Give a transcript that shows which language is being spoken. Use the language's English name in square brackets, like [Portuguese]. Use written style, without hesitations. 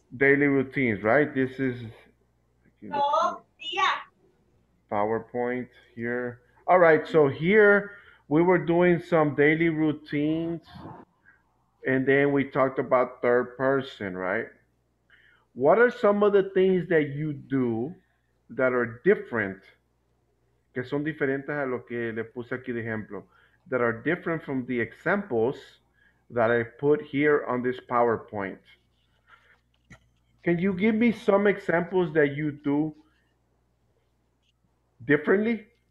[English] Daily routines, right? This is PowerPoint here. All right, so here we were doing some daily routines, and then we talked about third person, right? What are some of the things that you do that are different? [Spanish] Que son diferentes a lo que le puse aquí de ejemplo. [English] That are different from the examples that I put here on this PowerPoint. Can you give me some examples that you do differently?